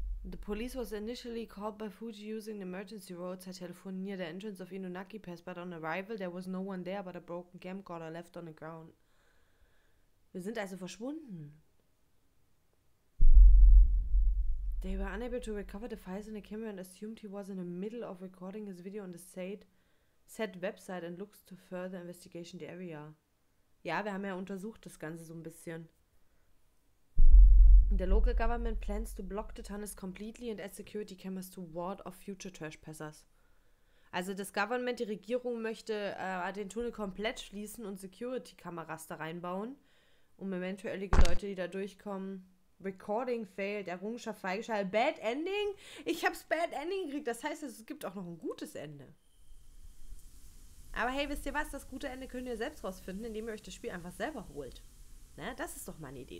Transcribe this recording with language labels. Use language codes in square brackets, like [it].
[en] The police was initially called by Fuji using the emergency roadside telephone near the entrance of Inunaki Pass, but on arrival there was no one there but a broken camcorder left on the ground. [de] Wir sind also verschwunden. [en] They were unable to recover the files in the camera and assumed he was in the middle of recording his video on the said website and looks to further investigation the area. [de] Ja, wir haben ja untersucht das Ganze so ein bisschen. [en] The local government plans to block the tunnels completely and add security cameras to ward off future trespassers. [de] Also das Government, die Regierung möchte den Tunnel komplett schließen und Security-Kameras da reinbauen, um eventuell die Leute, die da durchkommen. [en] Recording failed, [de] Errungenschaft freigeschaltet. Bad Ending? Ich hab's Bad Ending gekriegt. Das heißt, es gibt auch noch ein gutes Ende. Aber hey, wisst ihr was? Das gute Ende könnt ihr selbst rausfinden, indem ihr euch das Spiel einfach selber holt. Ne? Das ist doch meine Idee.